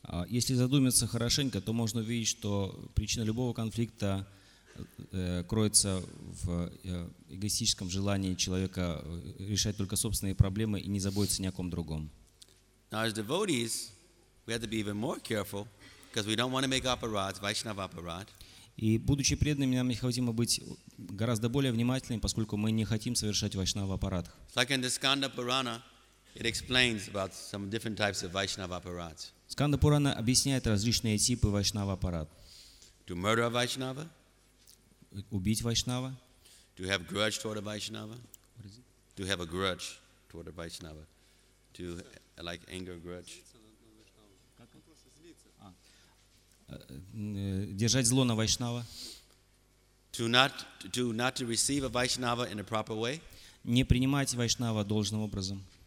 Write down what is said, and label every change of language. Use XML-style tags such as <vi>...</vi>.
<ru>Если задуматься хорошенько, то можно увидеть, что причина любого конфликта кроется в эгоистическом желании человека решать только собственные проблемы и не заботиться ни о ком другом.</ru> <en>Now, as devotees, we have to be even more careful because we don't want to make aparads, Vaishnava aparad.</en> <ru>И будучи преданными, нам необходимо быть гораздо более внимательными, поскольку мы не хотим совершать Вайшнава апарад.</ru> <en>Like in the Skanda Purana, it explains about some different types of Vaishnava aparads.</en> <ru>Skanda Purana объясняет различные типы Вайшнава апарад.</ru> <en>To murder a Vaishnava.</en> <ru>Убить Вайшнава.</ru> <en>To have grudge toward a Vaishnava. What is it? To have a grudge toward a Vaishnava. To like anger, grudge.</en> <ru>Держать зло на Вайшнава.</ru> <en>To not receive a Vaishnava in a proper way.</en> <ru>Не принимать Вайшнава должным образом.</ru>